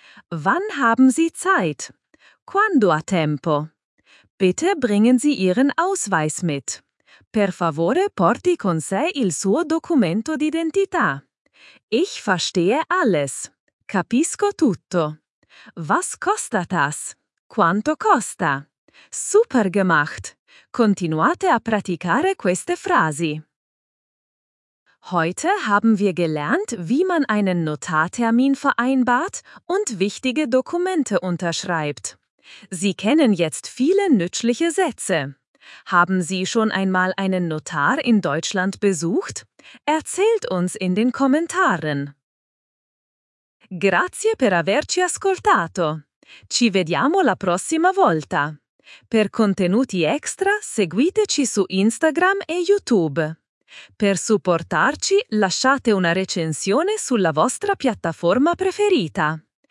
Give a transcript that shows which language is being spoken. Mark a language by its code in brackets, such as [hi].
[de] Wann haben Sie Zeit? [it] Quando ha tempo? [de] Bitte bringen Sie Ihren Ausweis mit. [it] Per favore porti con sé il suo documento d'identità. [de] Ich verstehe alles. [it] Capisco tutto. [de] Was kostet das? [it] Quanto costa? [de] Super gemacht! [it] Continuate a praticare queste frasi. [de] Heute haben wir gelernt, wie man einen Notartermin vereinbart und wichtige Dokumente unterschreibt. Sie kennen jetzt viele nützliche Sätze. Haben Sie schon einmal einen Notar in Deutschland besucht? Erzählt uns in den Kommentaren. [it] Grazie per averci ascoltato. Ci vediamo la prossima volta. Per contenuti extra, seguiteci su Instagram e YouTube. Per supportarci, lasciate una recensione sulla vostra piattaforma preferita.